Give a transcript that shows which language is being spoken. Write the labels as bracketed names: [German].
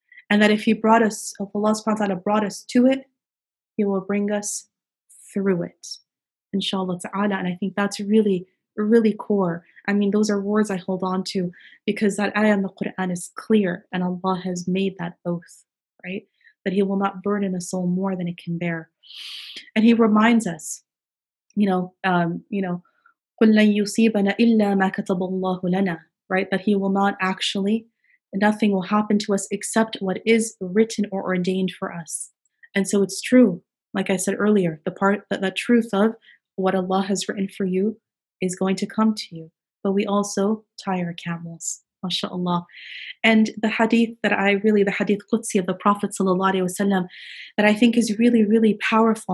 [English] And that if Allah subhanahu wa ta'ala brought us to it, he will bring us through it, inshallah ta'ala. And I think that's really, really core. I mean, those are words I hold on to because that ayah in the Quran is clear and Allah has made that oath, right? That he will not burden a soul more than it can bear. And he reminds us, [Arabic] قُلَّن يُصِيبَنَا إِلَّا مَا كَتَبَ اللَّهُ لَنَا, [English] right? That he will not actually, nothing will happen to us except what is written or ordained for us. And so it's true, like I said earlier, the part that the truth of what Allah has written for you is going to come to you. But we also tie our camels, mashallah. And the hadith Qudsi of the Prophet sallallahu alaihi wasallam, that I think is really, really powerful.